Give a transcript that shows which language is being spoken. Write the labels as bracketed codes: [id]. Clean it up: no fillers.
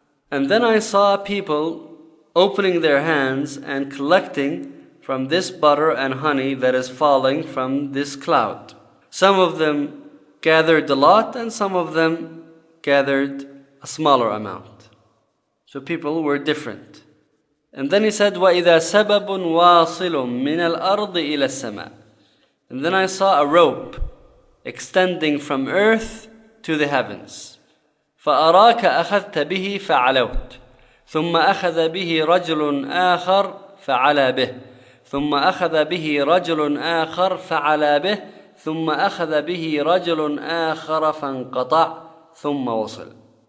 [en] And then I saw people opening their hands and collecting from this butter and honey that is falling from this cloud. Some of them gathered a lot and some of them gathered a smaller amount." So people were different. And then he said, [ar] "وَإِذَا سَبَبٌ وَاصِلٌ مِنَ الْأَرْضِ إِلَى السَّمَاءِ." [en] And then I saw a rope extending from earth to the heavens. [ar] فَأَرَاكَ أَخَذْتَ بِهِ فَعَلَوْتْ ثُمَّ أَخَذَ بِهِ رَجُلٌ آخَرْ فَعَلَى بِهِ ثُمَّ أَخَذَ بِهِ رَجُلٌ آخَرْ فَعَلَى بِهِ ثُمَّ أَخَذَ بِهِ رَجُلٌ آخَرَ فَانْقَطَعْ ثُمَّ وَصِلْ.